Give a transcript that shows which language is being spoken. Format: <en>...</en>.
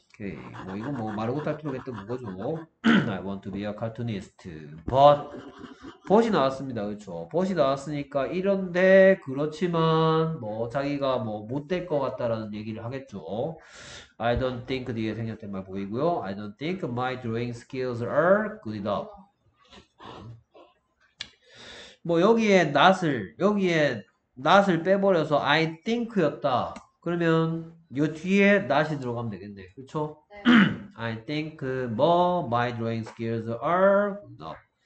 <en>Okay,</en> <ko>뭐 이건 뭐 마르고 탈출하겠다는 거죠.</ko> <en>I want to be a cartoonist.</en> <ko>But이 나왔습니다. 그렇죠. But이 나왔으니까 이런데 그렇지만 뭐 자기가 뭐못될것 같다라는 얘기를 하겠죠.</ko> <en>I don't think</en> <ko>뒤에 생략된 말 보이고요.</ko> <en>I don't think my drawing skills are good enough.</en> <ko>뭐 여기에 not을 여기에 not을 빼버려서</ko> <en>I think</en> <ko>였다. 그러면 요 뒤에 not이 들어가면 되겠네. 그렇죠?</ko> <en>I think 뭐 my drawing skills are enough.</en>